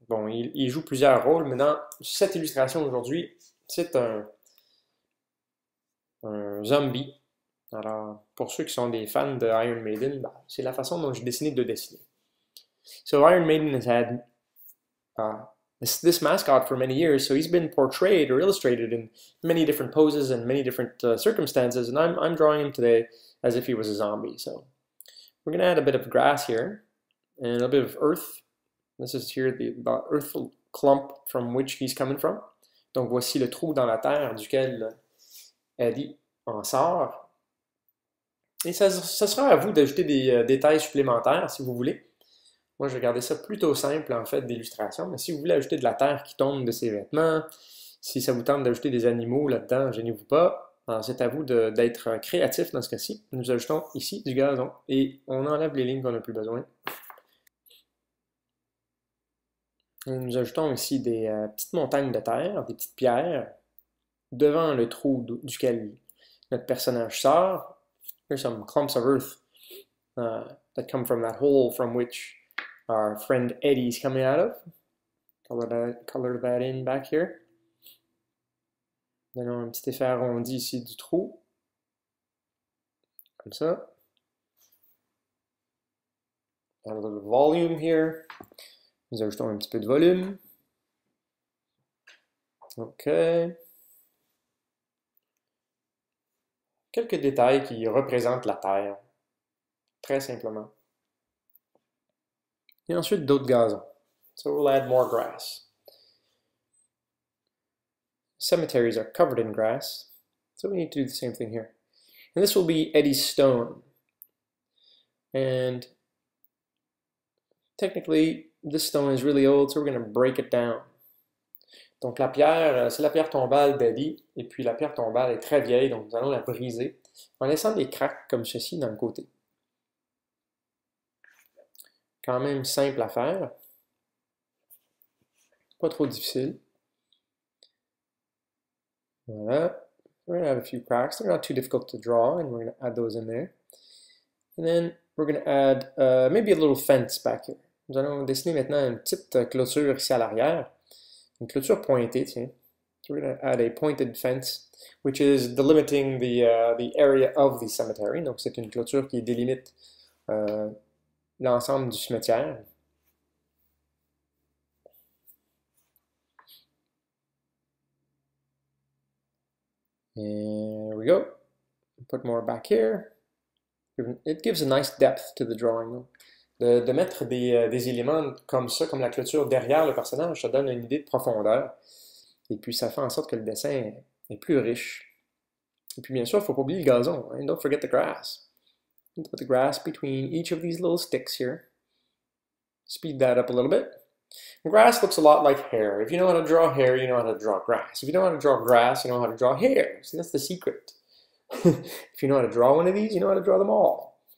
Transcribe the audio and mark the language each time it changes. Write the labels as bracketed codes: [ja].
[fr] Il joue plusieurs rôles, mais dans cette illustration aujourd'hui, c'est un zombie. Alors, pour ceux qui sont des fans de Iron Maiden, ben, c'est la façon dont j'ai décidé de dessiner. [en] So, Iron Maiden has had... This mascot for many years, so he's been portrayed or illustrated in many different poses and many different circumstances, and I'm drawing him today as if he was a zombie. So we're going to add a bit of grass here and a little bit of earth. This is here the earth clump from which he's coming from. [fr] Donc voici le trou dans la terre duquel Eddie en sort. Et ça sera à vous d'ajouter des détails supplémentaires si vous voulez. Moi, je vais garder ça plutôt simple, en fait, d'illustration. Mais si vous voulez ajouter de la terre qui tombe de ses vêtements, si ça vous tente d'ajouter des animaux là-dedans, gênez-vous pas. Alors, c'est à vous d'être créatif dans ce cas-ci. Nous ajoutons ici du gazon et on enlève les lignes qu'on n'a plus besoin. Et nous ajoutons ici des petites montagnes de terre, des petites pierres, devant le trou duquel notre personnage sort. [en] There's some clumps of earth that come from that hole from which our friend Eddie's coming out of. Color that in back here. [fr] Donnons un petit effet arrondi ici du trou. Comme ça. [en] Add a little volume here. [fr] Nous ajoutons un petit peu de volume. OK. Quelques détails qui représentent la Terre. Très simplement. Et ensuite, d'autres gazons. [en] So we'll add more grass. Cemeteries are covered in grass. So we need to do the same thing here. And this will be Eddie's stone. And technically, this stone is really old, so we're going to break it down. [fr] Donc la pierre, c'est la pierre tombale d'Eddie. Et puis la pierre tombale est très vieille, donc nous allons la briser en laissant des craques comme ceci dans le côté. Quand même simple à faire. Pas trop difficile. [en] Voilà. We're going to add a few cracks. They're not too difficult to draw, and we're going to add those in there. And then we're going to add maybe a little fence back here. [fr] Nous allons dessiner maintenant une petite clôture ici à l'arrière. Une clôture pointée, tiens. [en] So we're going to add a pointed fence, which is delimiting the area of the cemetery. [fr] Donc c'est une clôture qui délimite... l'ensemble du cimetière. [en] There we go. Put more back here. It gives a nice depth to the drawing. [fr] De mettre des éléments comme ça, comme la clôture derrière le personnage, ça donne une idée de profondeur. Et puis ça fait en sorte que le dessin est plus riche. Et puis bien sûr, il ne faut pas oublier le gazon. [en] Hein? Don't forget the grass. And put the grass between each of these little sticks here. Speed that up a little bit. Grass looks a lot like hair. If you know how to draw hair, you know how to draw grass. If you know how to draw grass, you know how to draw hair. See, that's the secret. If you know how to draw one of these, you know how to draw them all.